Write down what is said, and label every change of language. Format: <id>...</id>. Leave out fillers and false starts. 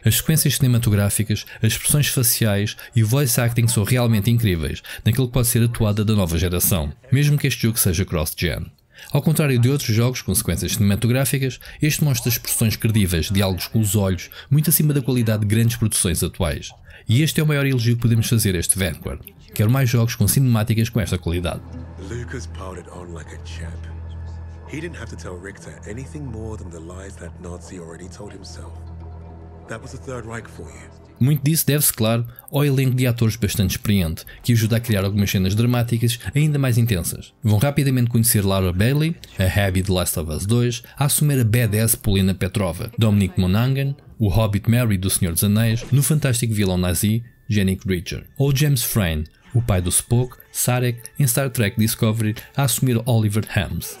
<pt>As sequências cinematográficas, as expressões faciais e o voice acting são realmente incríveis naquilo que pode ser atuado da nova geração, mesmo que este jogo seja cross-gen. Ao contrário de outros jogos com sequências cinematográficas, este mostra expressões credíveis, diálogos com os olhos, muito acima da qualidade de grandes produções atuais. E este é o maior elogio que podemos fazer a este Vanguard. Quero mais jogos com cinemáticas com esta qualidade.</pt> <en>Lucas powered on like a champ. He didn't have to tell Richter anything more than the lies that Nazi already told himself. That was the Third Reich for you.</en> <pt>Muito disso deve-se, claro, ao elenco de atores bastante experiente, que ajuda a criar algumas cenas dramáticas ainda mais intensas. Vão rapidamente conhecer Laura Bailey, a Abby de Last of Us 2, a assumir a badass Polina Petrova, Dominic Monaghan, o Hobbit Merry do Senhor dos Anéis, no fantástico vilão nazi, Jannik Reacher, ou James Frayne, o pai do Spock, Sarek, em Star Trek Discovery, a assumir Oliver Hams.</pt>